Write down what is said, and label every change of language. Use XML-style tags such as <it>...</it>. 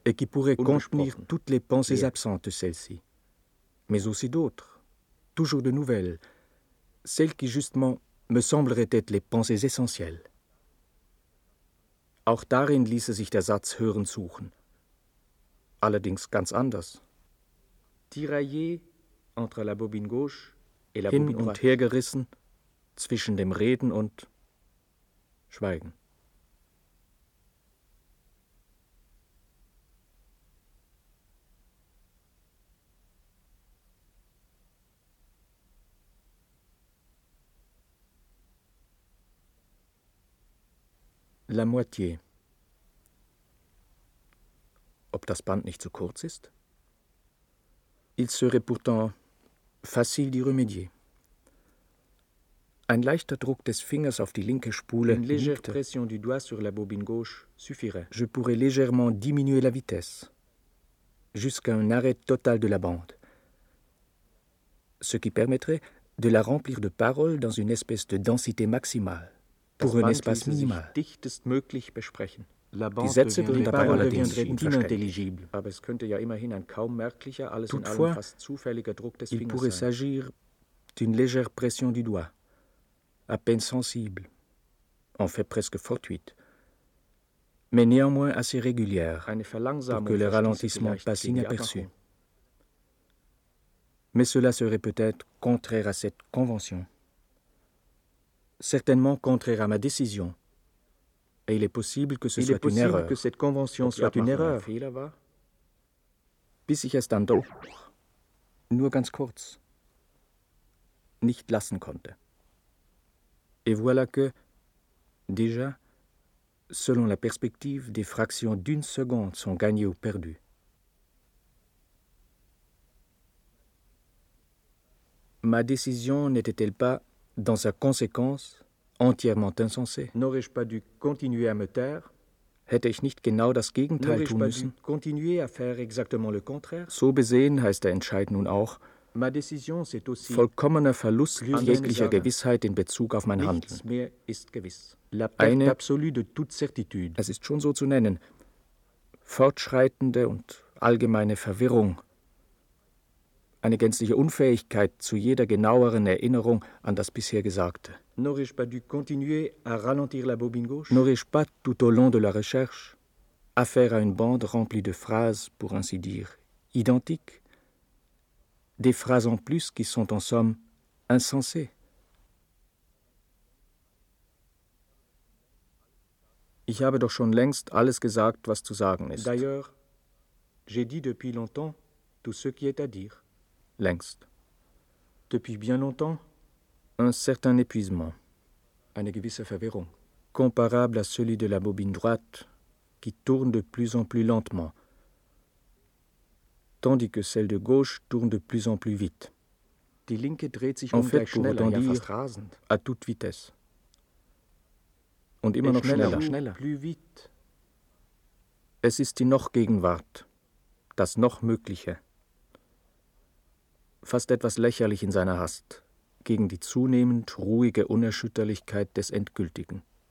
<fr>et qui pourrait contenir toutes les pensées absentes celles-ci, mais aussi d'autres, toujours de nouvelles, celles qui justement me sembleraient être les pensées essentielles.</fr> <de>Auch darin ließe sich der Satz hören suchen. Allerdings ganz anders.</de> <fr>Tiraillé entre la bobine gauche et la</fr> <de>hin bobine und her gerissen zwischen dem Reden und Schweigen.</de> <fr>La moitié.</fr> <de>Ob das Band nicht zu kurz ist?</de> <fr>Il serait pourtant facile d'y remédier.</fr> <de>Ein leichter Druck des Fingers auf die linke Spule.</de> <fr>Une légère pression du doigt sur la bobine gauche suffirait. Je pourrais légèrement diminuer la vitesse, jusqu'à un arrêt total de la bande. Ce qui permettrait de la remplir de paroles dans une espèce de densité maximale, pour un espace minimal.</fr> <de>Dichtestmöglich besprechen. Die Sätze würden dabei allerdings unintelligibel. Aber es könnte ja immerhin ein kaum merklicher, alles in allem fast zufälliger Druck des Fingers sein.</de> <fr>Il pourrait s'agir d'une légère pression du doigt, à peine sensible, en fait presque fortuite, mais néanmoins assez régulière, pour que le ralentissement passe inaperçu. Mais cela serait peut-être contraire à cette convention. Certainement contraire à ma décision. Et il est possible que ce soit une erreur. Que cette convention soit une erreur.</fr> <de>Bis ich es dann doch, nur ganz kurz, nicht lassen konnte.</de> <fr>Et voilà que, déjà, selon la perspective, des fractions d'une seconde sont gagnées ou perdues. Ma décision n'était-elle pas, dans sa conséquence, entièrement insensé. N'aurais-je pas dû continuer à me taire?</fr> <de>Hätte ich nicht genau das Gegenteil tun müssen?</de> <fr>N'aurais-je pas dû continuer à faire exactement le contraire?</fr> <de>So besehen heißt der Entscheid nun auch</de> <fr>ma décision, c'est aussi</fr> <de>vollkommener Verlust jeglicher Gewissheit in Bezug auf mein Handeln. Nichts mehr ist gewiss.</de> <fr>La perte eine, absolue de toute certitude.</fr> <de>Es ist schon so zu nennen, fortschreitende und allgemeine Verwirrung, eine gänzliche Unfähigkeit zu jeder genaueren Erinnerung an das bisher Gesagte.</de> <fr>N'aurais-je pas dû continuer à ralentir la bobine gauche? N'aurais-je pas, tout au long de la recherche, affaire à une bande remplie de phrases, pour ainsi dire, identiques? Des phrases en plus qui sont en somme insensées?</fr> <de>Ich habe doch schon längst alles gesagt, was zu sagen ist.</de> <fr>D'ailleurs, j'ai dit depuis longtemps tout ce qui est à dire.</fr> <de>Längst.</de> <fr>Depuis bien longtemps? Un certain épuisement,</fr> <de>eine gewisse Verwirrung,</de> <fr>comparable à celui de la bobine droite, qui tourne de plus en plus lentement, tandis que celle de gauche tourne de plus en plus vite.</fr> <de>Die linke dreht sich</de> <fr>en fait, pour autant dire,</fr> <de>ja, rasend,</de> <fr>à toute vitesse.</fr> <de>Und immer noch schneller. Schneller.</de> <fr>Plus vite.</fr> <de>Es ist die noch Gegenwart, das noch Mögliche. Fast etwas lächerlich in seiner Hast. Gegen die zunehmend ruhige Unerschütterlichkeit des Endgültigen.</de>